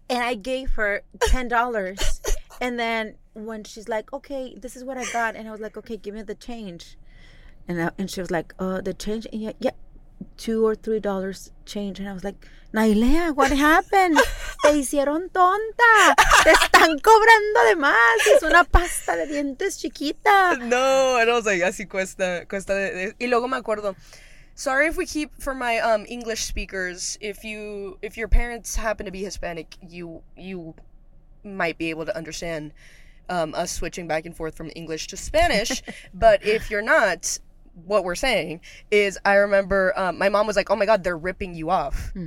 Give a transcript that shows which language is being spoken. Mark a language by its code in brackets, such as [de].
[en] And I gave her $10. And then when she's like, okay, this is what I got. And I was like, okay, give me the change. And she was like, the change? And yeah, $2 or $3 change. And I was like, Nailea, what happened? [es] Te hicieron tonta. Te están cobrando de más. Es una pasta de dientes chiquita. [en] No, and I was like, [es] así cuesta. Y luego me acuerdo. [en] Sorry if we keep, for my English speakers, if your parents happen to be Hispanic, you might be able to understand us switching back and forth from English to Spanish, but if you're not, what we're saying is, I remember my mom was like, oh my god, they're ripping you off. Mm-hmm.